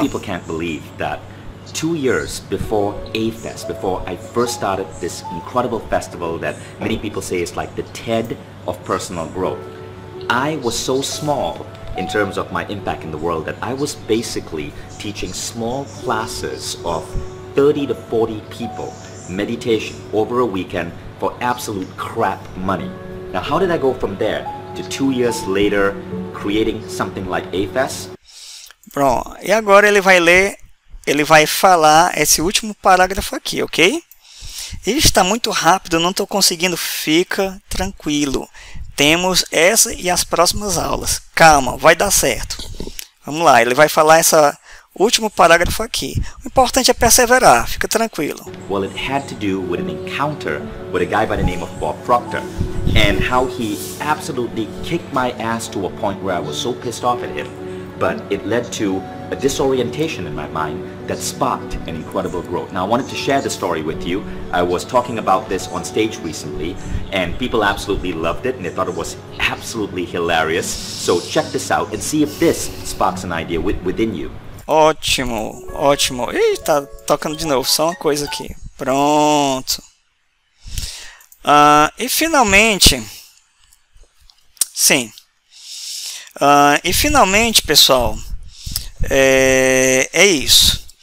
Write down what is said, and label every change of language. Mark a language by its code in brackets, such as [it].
[en] People can't believe that 2 years before A-Fest, before I first started this incredible festival that many people say is like the TED of personal growth, I was so small in terms of my impact in the world that I was basically teaching small classes of 30 to 40 people meditation over a weekend for absolute crap money. Now, how did I go from there to 2 years later creating something like A-Fest? [pt] Bom, e agora ele vai ler, ele vai falar esse último parágrafo aqui, ok? Está muito rápido, não estou conseguindo. Fica tranquilo. Temos essa e as próximas aulas. Calma, vai dar certo. Vamos lá, ele vai falar esse último parágrafo aqui. O importante é perseverar, fica tranquilo. [en] Well, it had to do with an encounter with a guy by the name of Bob Proctor. And how he absolutely kicked my ass to a point where I was so pissed off at him. But it led to a disorientation in my mind that sparked an incredible growth. Now, I wanted to share the story with you. I was talking about this on stage recently, and people absolutely loved it, and they thought it was absolutely hilarious. So check this out and see if this sparks an idea within you. [pt] Ótimo, ótimo. Ih, tá tocando de novo, só uma coisa aqui. Pronto. E finalmente... Sim. E finalmente, pessoal, é isso.